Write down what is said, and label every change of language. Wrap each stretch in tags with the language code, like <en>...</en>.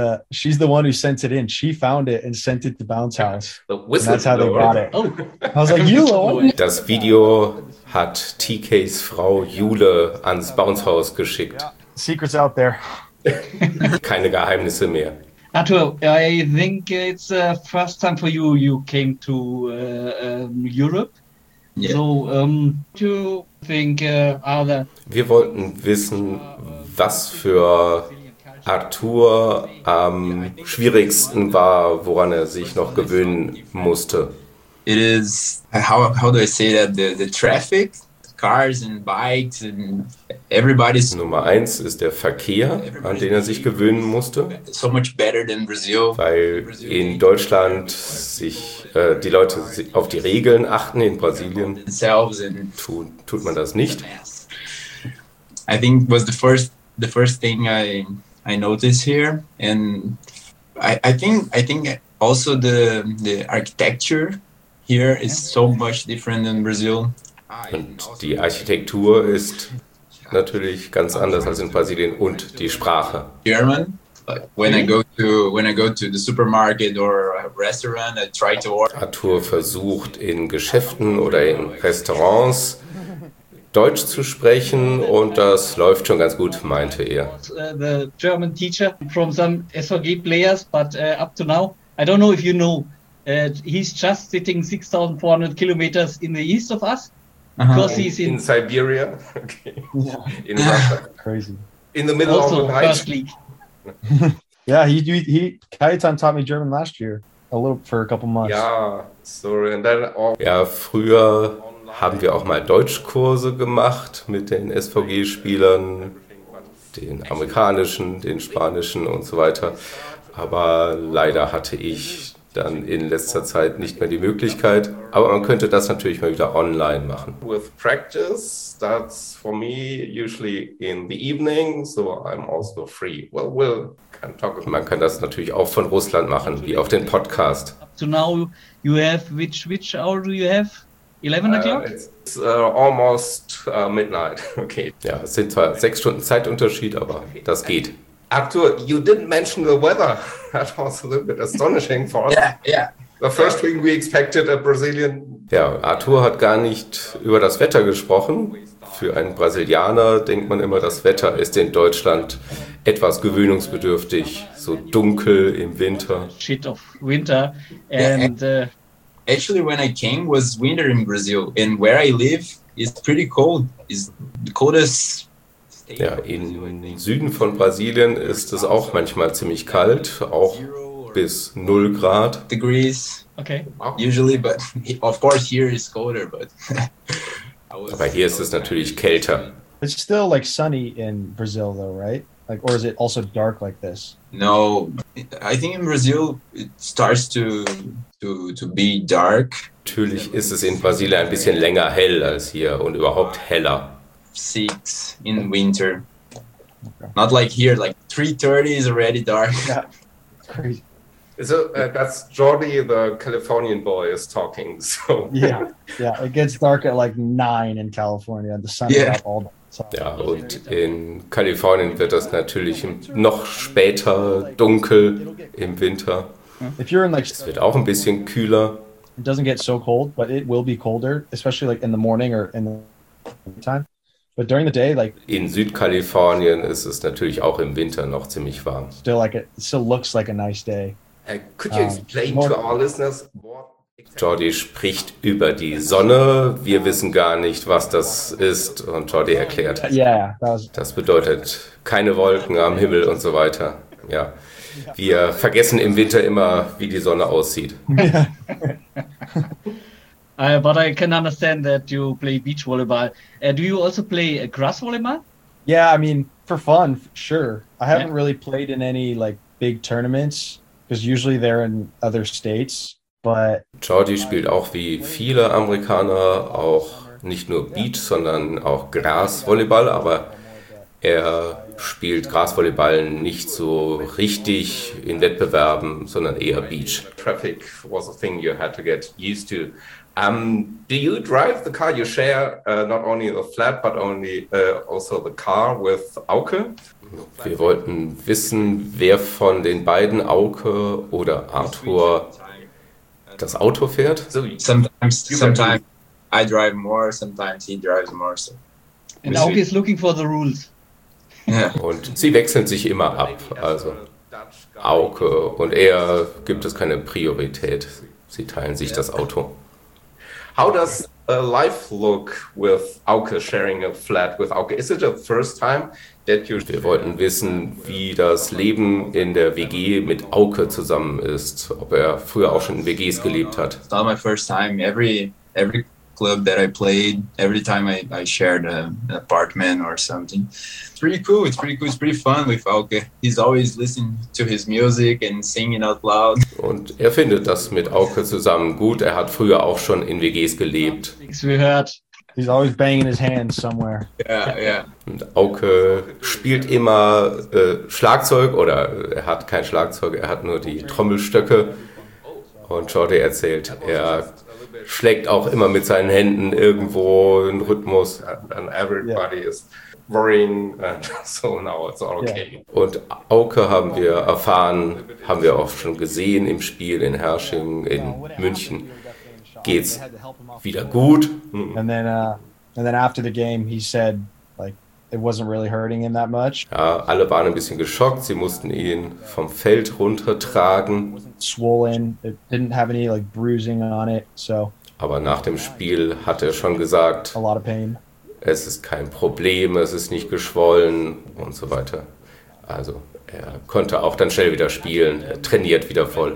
<en>She's the one who sent it in. She found it and sent it to Bounce House. The whistle. That's how they got it. Oh. I was like, Jule.</en> <de>Das Video hat TKs Frau Jule ans Bounce House geschickt.</de> <en>Yeah. Secrets out there.</en> <de>Keine Geheimnisse mehr.</de> <en>Arthur, I think it's the first time for you. You came to Europe. Yeah. So, you think other.</en> <de>Wir wollten wissen, was für Arthur am schwierigsten war, woran er sich noch gewöhnen musste.</de> <en>It is how do I say that the traffic, cars and bikes and everybody's.</en> <de>Nummer eins ist der Verkehr, an den er sich gewöhnen musste.</de> <en>So much better than Brazil.</en> <de>Weil in Deutschland sich die Leute auf die Regeln achten, in Brasilien tut man das nicht.</de> <en>I think was the first thing I notice here, and I think also the architecture here is so much different than Brazil.</en> <de>Und die Architektur ist natürlich ganz anders als in Brasilien und die Sprache.</de> <en>German, when I go to the supermarket or a restaurant, I try to order.</en> <de>Arthur versucht in Geschäften oder in Restaurants Deutsch zu sprechen und das läuft schon ganz gut, meinte er.</de> <en>The German teacher from some SVG players, but up to now, I don't know if you know, he's just sitting 6,400 kilometers in the east of us. Because he's in Siberia, okay. In Russia. Crazy. In the middle also, of the night. Yeah, he Kaitan taught me German last year, a little for a couple months. Yeah, sorry. And then</en> <de>ja, früher haben wir auch mal Deutschkurse gemacht mit den SVG-Spielern, den amerikanischen, den spanischen und so weiter. Aber leider hatte ich dann in letzter Zeit nicht mehr die Möglichkeit. Aber man könnte das natürlich mal wieder online machen.</de> <en>With practice, that's for me usually in the evening, so I'm also free. Well, we'll can talk about.</en> <de>Man kann das natürlich auch von Russland machen, wie auf den Podcast.</de> <en>Up to now, you have which hour do you have? 11 o'clock? It's almost midnight. Okay.</en> <de>Ja, es sind zwar 6 Stunden Zeitunterschied, aber das geht.</de> <en>Arthur, you didn't mention the weather. That was a little bit astonishing for us. Yeah. The first thing we expected a Brazilian.</en> <de>Ja, Arthur hat gar nicht über das Wetter gesprochen. Für einen Brasilianer denkt man immer, das Wetter ist in Deutschland etwas gewöhnungsbedürftig, so dunkel im Winter.</de> <en>Shit of winter. And actually, when I came, was winter in Brazil. And where I live is pretty cold. It's the coldest.</en> <de>Ja, im Süden von Brasilien ist es auch manchmal ziemlich kalt, auch bis 0 Grad.</de> <en>Degrees, okay. Usually, but of course here is colder, but.</en> <de>Aber hier ist es natürlich kälter.</de> <en>It's still like sunny in Brazil, though, right? Like, or is it also dark like this? No, I think in Brazil it starts to be dark.</en> <de>Natürlich ist es in Brasilien ein bisschen länger hell als hier und überhaupt heller.</de> <en>6 in winter. Okay. Not like here, like 3:30 is already dark. Yeah. Crazy. So that's Jordi, the Californian boy, is talking. So yeah, it gets dark at like 9 in California. The sun is up all night. So.</en> <de>Ja, und in Kalifornien wird das natürlich noch später dunkel im Winter.</de> <en>If you're in like</en> <de>es wird auch ein bisschen kühler.</de> <en>it doesn't get so cold, but it will be colder, especially like in the morning or in the time. But during the day, like</en> <de>in Südkalifornien ist es natürlich auch im Winter noch ziemlich warm.</de> <en>Still like it still looks like a nice day. Could you explain more, to our listeners what</en> <de>Jordi spricht über die Sonne. Wir wissen gar nicht, was das ist. Und Jordi erklärt, das bedeutet keine Wolken am Himmel und so weiter. Ja. Wir vergessen im Winter immer, wie die Sonne aussieht.</de> <en>But I can understand that you play beach volleyball. Do you also play grass volleyball? Yeah, I mean, for fun, sure. I haven't really played in any like big tournaments, because usually they're in other states. But</en> <de>Jordi spielt auch wie viele Amerikaner auch nicht nur Beach, sondern auch Grasvolleyball, aber er spielt Grasvolleyball nicht so richtig in Wettbewerben, sondern eher Beach.</de> <en>Traffic was a thing you had to get used to. Do you drive the car? You share not only the flat, but only also the car with Auke?</en> <de>Wir wollten wissen, wer von den beiden, Auke oder Arthur, das Auto fährt.</de> <en>Sometimes I drive more, sometimes he drives more. So. And Auke is looking for the rules.</en> <de>Und sie wechseln sich immer ab. Also Auke und er gibt es keine Priorität. Sie teilen sich das Auto.</de> <en>How does life look with Auke sharing a flat with Auke? Is it a first time that you?</en> <de>Wir wollten wissen, wie das Leben in der WG mit Auke zusammen ist, ob er früher auch schon in WGs gelebt hat.</de> <en>It's not my first time. Every club that I played, every time I shared an apartment or something. It's pretty cool. It's pretty fun with Auke. He's always listening to his music and singing out loud.</en> <de>Und er findet das mit Auke zusammen gut. Er hat früher auch schon in WGs gelebt.</de> <en>We heard. He's always banging his hands somewhere. Yeah.</en> <de>Und Auke spielt immer Schlagzeug, oder er hat kein Schlagzeug, er hat nur die Trommelstöcke. Und Jordi erzählt, er schlägt auch immer mit seinen Händen irgendwo einen Rhythmus.</de> <en>And everybody is worrying, so now it's all okay.</en> <de>Und Auke haben wir erfahren, haben wir auch schon gesehen im Spiel in Herrsching, in München. Geht's wieder gut?</de> <en>And then after the game, he said, like, it wasn't really hurting him that much.</en> <de>Ja, alle waren ein bisschen geschockt. Sie mussten ihn vom Feld runtertragen.</de> <en>Swollen, it didn't have any like bruising on it, so.</en> <de>Aber nach dem Spiel hat er schon gesagt,</de> <en>a lot of pain.</en> <de>Es ist kein Problem, es ist nicht geschwollen und so weiter. Also er konnte auch dann schnell wieder spielen, er trainiert wieder voll.</de>